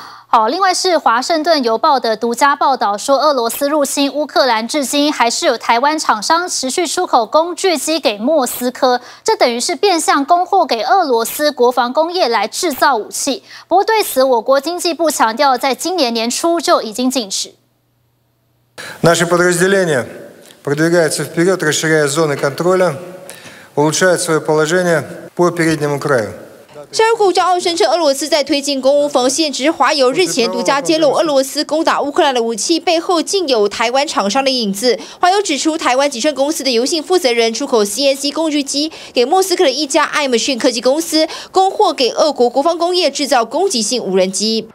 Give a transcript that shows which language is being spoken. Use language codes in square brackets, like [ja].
[zh] 好，另外是华盛顿邮报的独家报道说，俄罗斯入侵乌克兰至今还是有台湾厂商持续出口工具机给莫斯科，这等于是变相供货给俄罗斯国防工业来制造武器。不过对此，我国经济部强调在今年年初就已经禁止。 [ru] Наши подразделения продвигаются вперед, расширяя зоны контроля, улучшают свое положение по переднему краю。 [zh] 沙尔库叫奥声称俄罗斯在推进攻乌防线，只是华邮日前独家揭露俄罗斯攻打乌克兰的武器背后竟有台湾厂商的影子。华邮指出，台湾集成公司的邮信负责人出口 CNC 工具机给莫斯科的一家 iMachine 科技公司，供货给俄国国防工业制造攻击性无人机，